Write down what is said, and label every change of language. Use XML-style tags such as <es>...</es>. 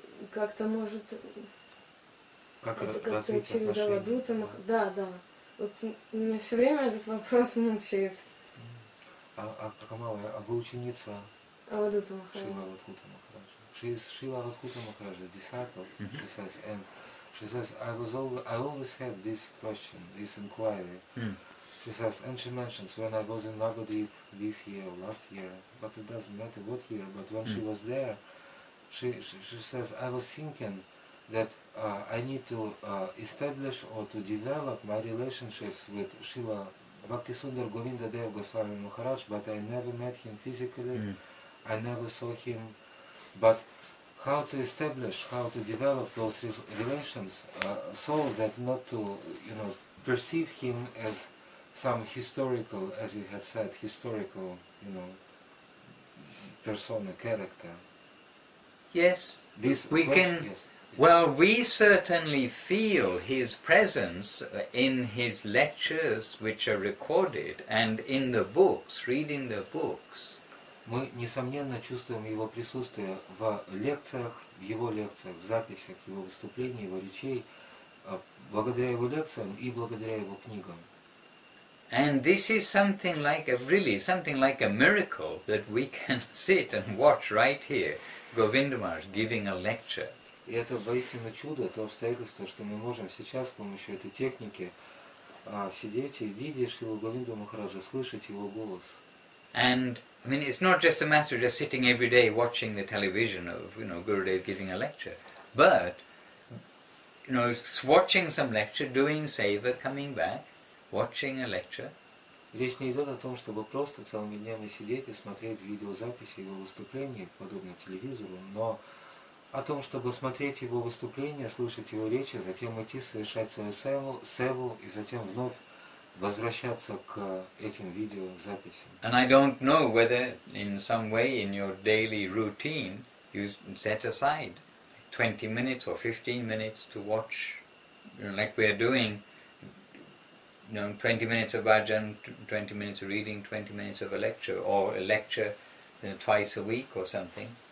<ru>Как-то может... Как это как-то развить через отношения? Авадута, да. Вот мне все время этот вопрос мучает. А вы ученица? Авадута Махараджа. Шрила Авадхута Махараджа. Шрила Авадхута Махараджа, disciple.</ru> <en>She says, and she says, I always had this question, this inquiry. She says, and she mentions when I was in Navadvip this year or last year, but it doesn't matter what year, but when she was there, she says, I was thinking that I need to establish or to develop my relationships with Srila Bhaktisundar Govinda Dev Goswami Maharaj, but I never met him physically, I never saw him. But how to establish, how to develop those relations so that not to, you know, perceive him as some historical, as you have said, historical, you know, persona, character. Yes, this we question, can... Yes. Well, we certainly feel his presence in his lectures, which are recorded, and in the books, reading the books.</en> <ru>Мы несомненно чувствуем его присутствие в лекциях, в его лекциях, в записях его выступлений, его речей, благодаря его лекциям и благодаря его книгам.</ru> <en>And this is something like a really something like a miracle that we can sit and watch right here, Govinda Maharaj giving a lecture.</en> <ru>И это воистину чудо, то обстоятельство, что мы можем сейчас с помощью этой техники сидеть и видеть его Говинду Махараджа, слышать его голос.</ru> <en>And I mean, it's not just a matter of just sitting every day watching the television of, you know, Gurudev giving a lecture, but, you know, watching some lecture, doing seva, coming back, watching a lecture.</en> <ru>Речь не идет о том, чтобы просто целыми днями сидеть и смотреть видеозаписи его выступлений, подобно телевизору, но о том, чтобы смотреть его выступления, слушать его речи, затем идти совершать свою севу и затем вновь возвращаться к этим видеозаписям.</ru> <en>And I don't know whether in some way in your daily routine you set aside 20 minutes or 15 minutes to watch, you know, like we are doing, you know, 20 minutes of bhajan, 20 minutes of reading, 20 minutes of a lecture, or a lecture, you know, twice a week or something.</en>